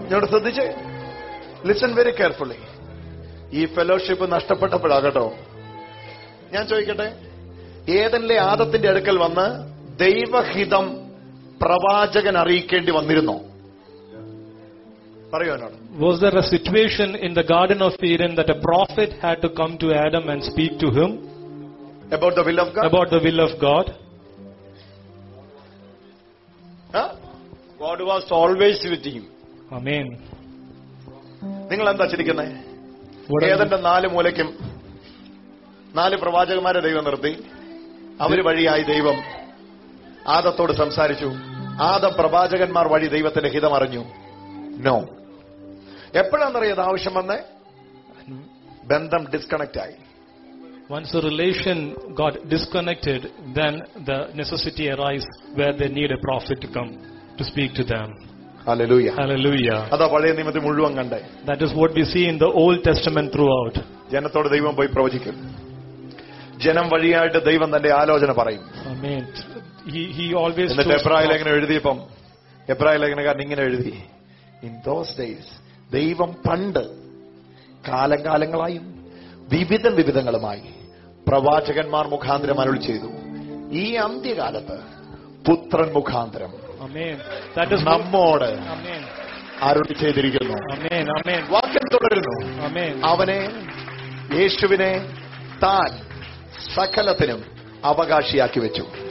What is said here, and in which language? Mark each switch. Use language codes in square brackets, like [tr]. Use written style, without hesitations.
[ml] ഞാൻ ശ്രദ്ധിച്ച് [en] listen very carefully. [ml] ഈ ഫെലോഷിപ്പ് നഷ്ടപ്പെട്ടപ്പോഴാകട്ടോ ഞാൻ ചോദിക്കട്ടെ ഏദനിലെ ആദത്തിന്റെ അടുക്കൽ വന്ന് ദൈവഹിതം പ്രവാചകൻ അറിയിക്കേണ്ടി വന്നിരുന്നോ [en] Was there a situation in the Garden of Eden that a prophet had to come to Adam and speak to him about the will of God? About the will of God? Huh? God was always with him. Amen. [ml] നിങ്ങൾ എന്താ ചിരിക്കുന്നത് ഏദന്റെ നാല് മൂലയ്ക്കും നാല് പ്രവാചകന്മാരെ ദൈവം നിർത്തി അവര് വഴിയായി ദൈവം ആദത്തോട് സംസാരിച്ചു ആദം പ്രവാചകന്മാർ വഴി ദൈവത്തിന്റെ ഹിതം അറിഞ്ഞു നോ എപ്പോഴാണെന്നറിയത് ആവശ്യം വന്നേ ബന്ധം ഡിസ്കണക്ട് ആയി [en] Once a relation got disconnected, then the necessity arises where they need a prophet to come to speak to them. [ml] Hallelujah. അതാ പഴയ നിയമത്തിൽ മുഴുവൻ കണ്ടത് [en] That is what we see in the Old Testament throughout. [ml] ജനത്തോട് ദൈവം പോയി പ്രവചിക്കും ജനം വഴിയായിട്ട് ദൈവം തന്റെ ആലോചന പറയും [en] Amen. He always [ml] എന്നിട്ട് എബ്രായ ലേഖനം എഴുതിയപ്പം എബ്രായ ലേഖനകാരൻ ഇങ്ങനെ എഴുതി [en] In those days, [ml] ദൈവം പണ്ട് കാലകാലങ്ങളായും വിവിധ വിവിധങ്ങളുമായി പ്രവാചകന്മാർ മുഖാന്തരം അരുളി ചെയ്തു ഈ അന്ത്യകാലത്ത് പുത്രൻ മുഖാന്തരം നമ്മോട് അരുളി ചെയ്തിരിക്കുന്നു വാക്യം തുടരുന്നു അവനെ യേശുവിനെ താൻ സകലത്തിനും അവകാശിയാക്കി വെച്ചു